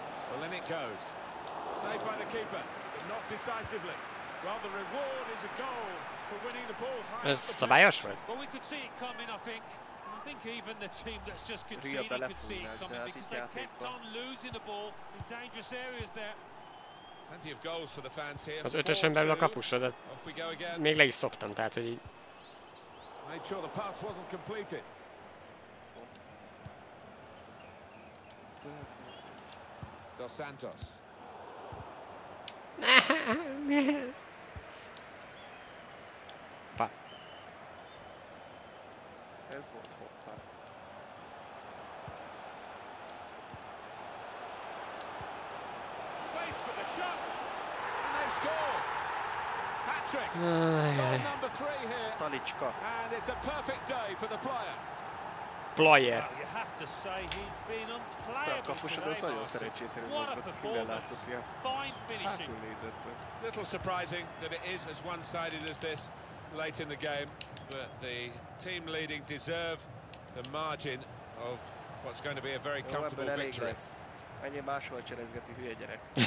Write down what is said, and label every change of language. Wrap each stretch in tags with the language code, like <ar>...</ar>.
<en>Well, in it goes. Saved by the keeper, but not decisively. Well, the reward is a goal for winning the ball.</en> <hu>Ez szabályos volt.</hu> <en>Well, we could see it coming, I think. I think even the team that's just conceded could see it coming because they kept on losing the ball in dangerous areas there. Plenty of goals for the fans here.</en> <hu>Az ötösön belül a kapusra, de még le is szoptam, tehát hogy így...</hu> <en>Made sure the pass wasn't completed. Dos Santos. Pa.</en> <hu>Ez volt hoppa.</hu> <en>Space for the shot. Goal. Patrick, goal number three here.</en> <hu>Talicska.</hu> <en>And it's a perfect day for the player. Player. Well, you have to say he's been unplayable today. What a performance. Fine finishing. Little surprising that it is as one-sided as this late in the game. But the team leading deserve the margin of what's going to be a very comfortable victory.</en> <hu>Ennyi máshol cselezgeti hülye gyerek.</hu>